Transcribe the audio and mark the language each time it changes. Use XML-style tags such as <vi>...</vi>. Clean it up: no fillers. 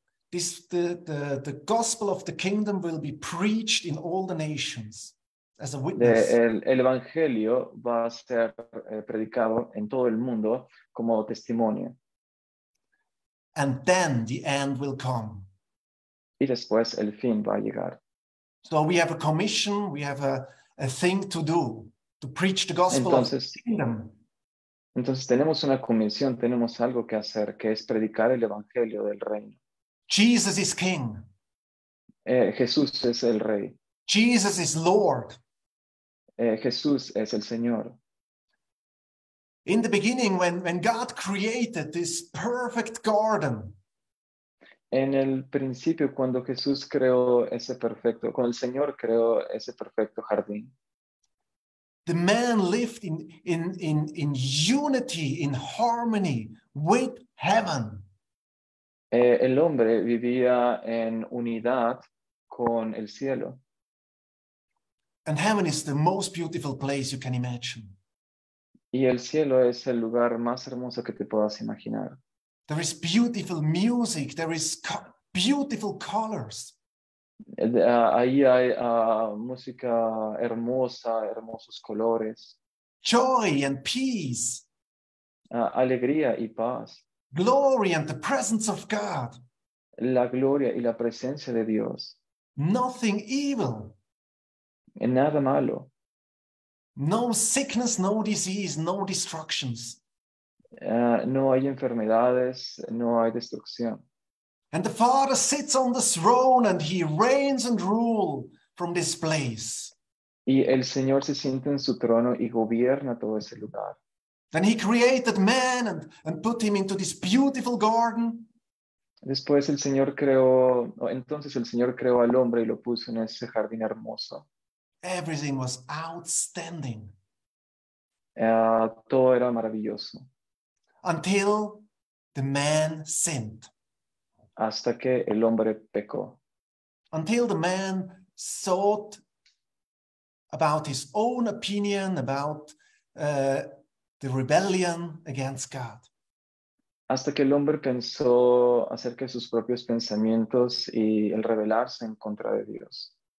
<en>The gospel of the kingdom will be preached in all the nations as a witness.</en> <es>El evangelio va a ser predicado en todo el mundo como testimonio.</es> <en>And then the end will come.</en> <es>Y después el fin va a llegar.</es> <en>So we have a commission, we have a thing to do, to preach the gospel</en> <es>entonces,</es> <en>of the kingdom.</en> <es>Entonces tenemos una comisión, tenemos algo que hacer, que es predicar el evangelio del reino.</es> <en>Jesus is king.</en> <es>Jesús es el rey.</es> <en>Jesus is Lord.</en> <es>Jesús es el Señor.</es> <en>In the beginning, when God created this perfect garden.</en> <es>En el principio, cuando Jesús creó ese perfecto, cuando el Señor creó ese perfecto jardín.</es> <en>The man lived in unity, in harmony with heaven.</en> <es>El hombre vivía en unidad con el cielo.</es> <en>And heaven is the most beautiful place you can imagine.</en> <es>Y el cielo es el lugar más hermoso que te puedas imaginar.</es> <en>There is beautiful music. There is beautiful colors.</en> <es>Ahí hay música hermosa, hermosos colores.</es> <en>Joy and peace.</en> <es>Alegría y paz.</es> <en>Glory and the presence of God.</en> <es>La gloria y la presencia de Dios.</es> <en>Nothing evil.</en> <es>Nada malo.</es> <en>No sickness, no disease, no destructions.</en> <es>No hay enfermedades, no hay destrucción.</es> <en>And the Father sits on the throne and he reigns and rules from this place.</en> <es>Y el Señor se siente en su trono y gobierna todo ese lugar.</es> <en>Then he created man and put him into this beautiful garden.</en> <es>Después el Señor creó, entonces el Señor creó al hombre y lo puso en ese jardín hermoso.</es> <en>Everything was outstanding.</en> <es>Todo era maravilloso.</es> <en>Until the man sinned.</en> <es>Hasta que el hombre pecó.</es> <en>Until the man thought about his own opinion about the rebellion against God.</en> <es>Hasta que el hombre pensó acerca de sus propios pensamientos y el rebelarse en contra de Dios.</es>